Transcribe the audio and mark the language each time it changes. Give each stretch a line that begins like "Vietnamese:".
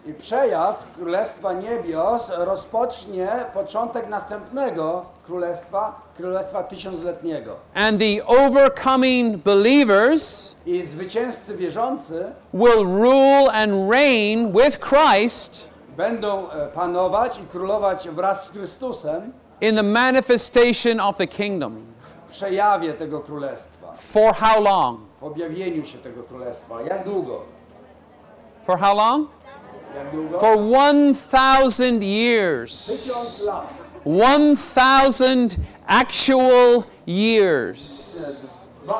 Polish: I przejaw Królestwa Niebios rozpocznie początek następnego Królestwa, Królestwa Tysiącletniego.
English: And the overcoming believers,
Polish: i zwycięzcy wierzący,
English: will rule and reign with Christ,
Polish: będą panować i królować wraz z Chrystusem,
English: in the manifestation of the kingdom.
Polish: Przejawie tego Królestwa.
English: For how long?
Polish: W objawieniu się tego Królestwa. Jak długo?
English: For how long?
Polish: Jak długo?
English: For 1,000 years. 1,000 actual years.